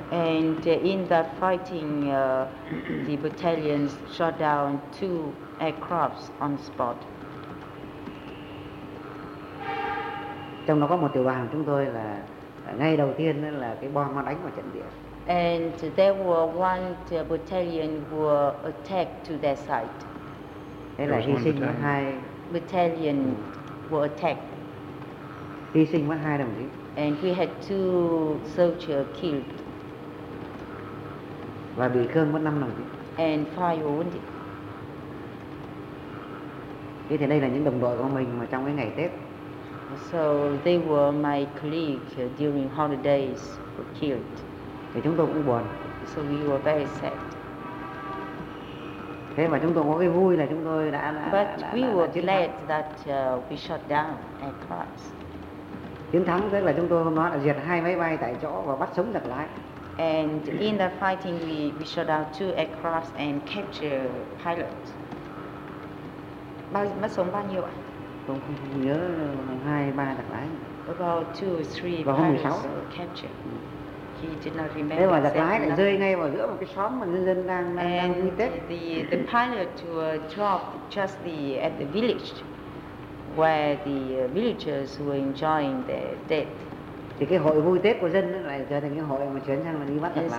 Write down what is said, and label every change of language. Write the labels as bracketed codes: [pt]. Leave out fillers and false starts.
[en] And in that fighting, the battalions shot down two aircrafts on spot. [vi] Trong đó có một tiểu đoàn chúng tôi là ngay đầu tiên là cái bom nó đánh vào trận địa. [en] And there were one battalion were attacked to their side. [vi] Thế là hy sinh mất hai. [en] Battalion were attacked. [vi] Hy sinh mất hai đồng chí. [en] And we had two soldiers killed. [vi] Và bị thương mất năm đồng chí. [en] And five wounded. [vi] Thế thì đây là những đồng đội của mình mà trong cái ngày Tết. [en] So they were my colleague during holidays were killed. [vi] Thì chúng tôi cũng buồn. [en] So we were very sad. [vi] Thế mà chúng tôi có cái vui là chúng tôi đã [en] But [vi] đã, [en] we [vi] đã, [en] were [vi] đã [en] glad [vi] thắng. [en] That we shot down aircraft. [vi] Chiến thắng tức là chúng tôi hôm đó là diệt hai máy bay tại chỗ và bắt sống được lái. [en] And in the fighting we shot down two aircraft and capture pilot. [vi] Mất sống bao nhiêu ạ? Tôi không nhớ, hai ba đặc lái. [en] About two or three [vi] vào [en] pilots were captured. [vi] Thế mà đặc lái lại rơi ngay vào giữa một cái xóm mà nhân dân đang vui Tết. [en] The pilot were dropped just at the village where the villagers were enjoying their Tết. [vi] Thì cái hội vui Tết của dân lại trở thành cái hội mà chuyển sang là đi bắt đặc lái.